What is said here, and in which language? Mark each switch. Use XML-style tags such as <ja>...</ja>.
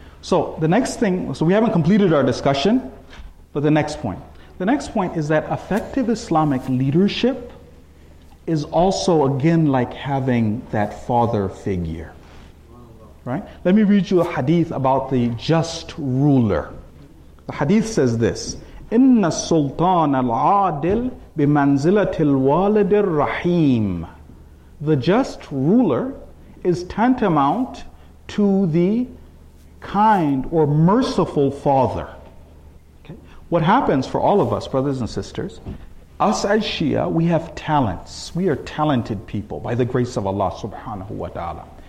<en>So, the next thing, so we haven't completed our discussion, but the next point. The next point is that effective Islamic leadership is also, again, like having that father figure. Right? Let me read you a hadith about the just ruler. The hadith says this,</en> <ar>إِنَّ السُّلْطَانَ الْعَادِلِ بِمَنْزِلَةِ الْوَالِدِ الرَّحِيمِ.</ar> <en>The just ruler is tantamount to the kind or merciful father. Okay? What happens for all of us, brothers and sisters, us as Shia, we have talents. We are talented people by the grace of Allah subhanahu wa ta'ala.</en>